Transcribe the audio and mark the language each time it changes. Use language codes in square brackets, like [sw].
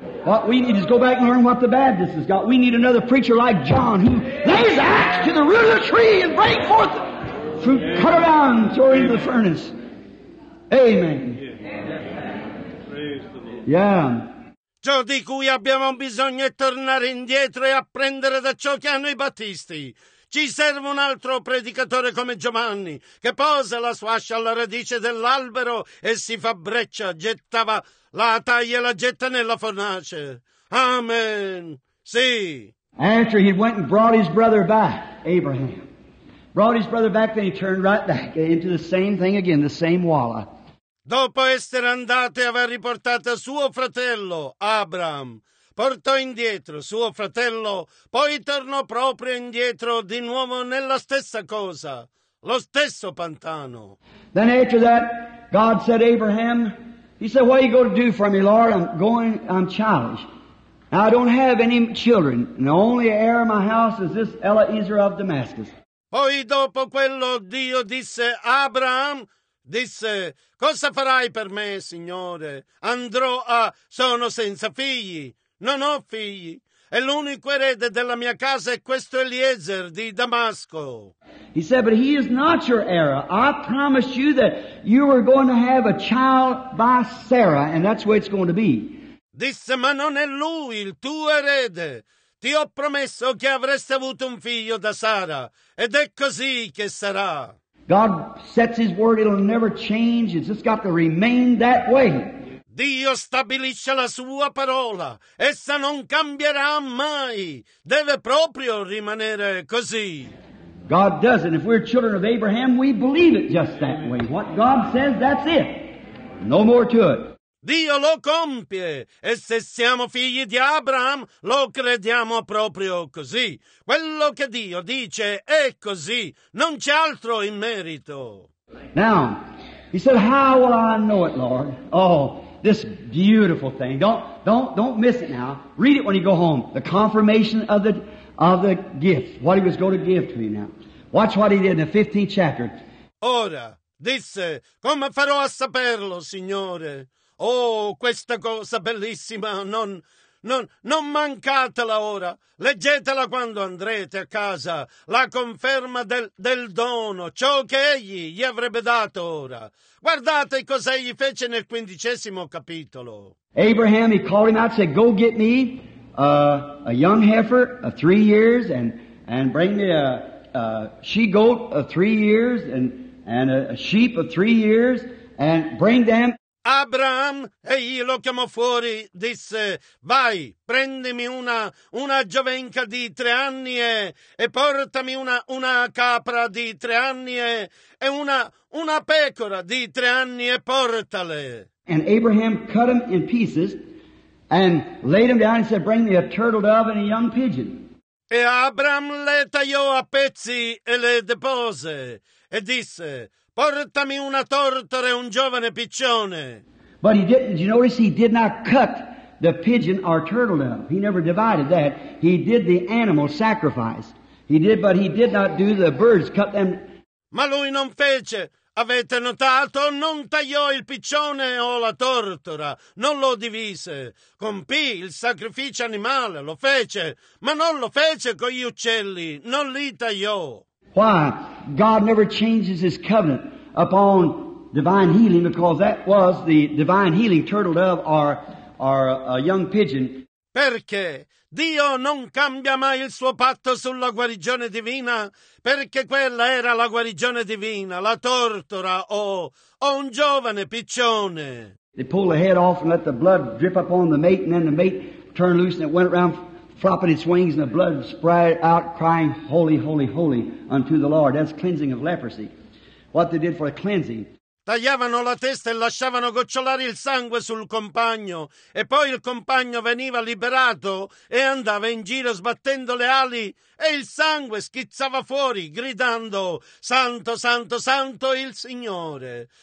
[en] What we need is go back and learn what the Baptist has got. We need another preacher like John who lays axe to the root of the tree and break forth the fruit, cut it out and throw it into the furnace. Amen. Yeah. [it] Ciò di cui abbiamo bisogno è tornare indietro e apprendere da ciò che hanno i battisti. Ci serve un altro predicatore come Giovanni, che posa la sua ascia alla radice dell'albero e si fa breccia, gettava la taglia e la getta nella fornace. Amen. Sì. [en] After he went and brought his brother back, Abraham, brought his brother back, then he turned right back into the same thing again, the same walla. [it] Dopo essere andato e aver riportato suo fratello, Abram, portò indietro suo fratello, poi tornò proprio indietro di nuovo nella stessa cosa, lo stesso pantano. [en] Then after that, God said to Abraham, he said, what are you going to do for me, Lord? I'm childless. Now, I don't have any children, and the only heir of my house is this Eliezer of Damascus. [it] Poi dopo quello Dio disse, Abram, disse, cosa farai per me, Signore? Sono senza figli, non ho figli, e l'unico erede della mia casa è questo Eliezer di Damasco. [en] He said, but he is not your heir. I promised you that you were going to have a child by Sarah, and that's where it's going to be. [it] Disse, ma non è lui il tuo erede. Ti ho promesso che avresti avuto un figlio da Sara, ed è così che sarà. [en] God sets his word, it'll never change, it's just got to remain that way. [it] Dio stabilisce la sua parola, essa non cambierà mai, deve proprio rimanere così. [en] God does it, if we're children of Abraham, we believe it just that way. What God says, that's it, no more to it. [it] Dio lo compie, e se siamo figli di Abraham, lo crediamo proprio così. Quello che Dio dice è così, non c'è altro in merito. [en] Now, he said, how will I know it, Lord? Oh, this beautiful thing. Don't miss it now. Read it when you go home. The confirmation of the gift, what he was going to give to me now. Watch what he did in the 15th chapter. [it] Ora, disse, come farò a saperlo, Signore? Oh, questa cosa bellissima, non mancatela ora, leggetela quando andrete a casa, la conferma del dono, ciò che egli gli avrebbe dato ora. Guardate cosa egli fece nel 15° capitolo. [en] Abraham, he called him out, said, go get me a young heifer of 3 years and bring me a she-goat of 3 years and a sheep of 3 years and bring them. [it] Abraham, egli lo chiamò fuori, disse, vai, prendimi una giovenca di 3 anni e portami una capra di 3 anni e una pecora di 3 anni e portale. [en] And Abraham cut them in pieces and laid them down and said, bring me a turtle dove and a young pigeon. [it] E Abraham le tagliò a pezzi e le depose e disse, portami una tortora e un giovane piccione. [en] But he didn't, you notice he did not cut the pigeon or turtle dove. He never divided that. He did the animal sacrifice. He did, but he did not do the birds, cut them. [it] Ma lui non fece, avete notato, non tagliò il piccione o la tortora, non lo divise. Compì il sacrificio animale, lo fece, ma non lo fece con gli uccelli, non li tagliò. [en] Why? God never changes his covenant upon divine healing because that was the divine healing, turtle dove or a young pigeon. [it] Perché Dio non cambia mai il suo patto sulla guarigione divina? Perché quella era la guarigione divina, la tortora o un giovane piccione. [en] They pulled the head off and let the blood drip upon the mate and then the mate turned loose and it went around flopping its wings and the blood spread out, crying, holy, holy, holy unto the Lord. That's cleansing of leprosy. What they did for a cleansing. [it] Tagliavano la testa e lasciavano gocciolare il sangue sul compagno e poi il compagno veniva liberato e andava in giro sbattendo le ali e il sangue schizzava fuori gridando, santo, santo, santo il Signore.